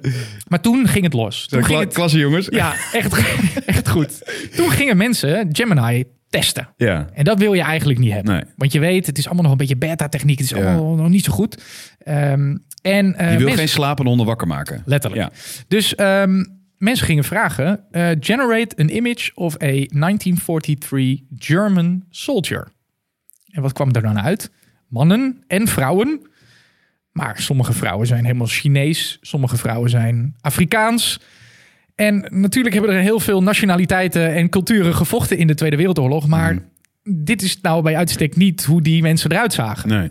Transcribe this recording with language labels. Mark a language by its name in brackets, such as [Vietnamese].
[Dutch] Goed. Maar toen ging het los. Klasse, jongens. Ja, echt goed. Toen gingen mensen Gemini... testen. Ja. En dat wil je eigenlijk niet hebben. Nee. Want je weet, het is allemaal nog een beetje beta-techniek. Het is allemaal nog niet zo goed. Je wil geen slapende honden wakker maken. Letterlijk. Ja. Dus mensen gingen vragen. [English] Generate an image of a 1943 German soldier. [Dutch] En wat kwam er dan uit? Mannen en vrouwen. Maar sommige vrouwen zijn helemaal Chinees. Sommige vrouwen zijn Afrikaans. En natuurlijk hebben er heel veel nationaliteiten en culturen gevochten in de Tweede Wereldoorlog. Maar dit is nou bij uitstek niet hoe die mensen eruit zagen. Nee.